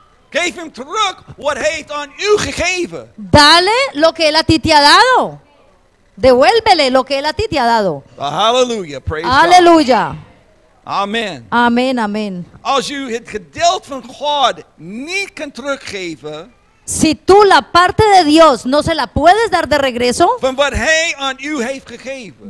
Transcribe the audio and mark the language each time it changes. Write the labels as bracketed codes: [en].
[nl] Geef hem terug wat hij heeft aan u gegeven. [es] Dale lo que él a ti te ha dado. Devuélvele lo que él a ti te ha dado. [en] Hallelujah. Praise [es] Aleluya. [en] God. Amen. [es] Amen, amen. [nl] Als u het gedeelte van God niet kan teruggeven, [es] si tú la parte de Dios no se la puedes dar de regreso, [nl] van wat hij aan u heeft gegeven,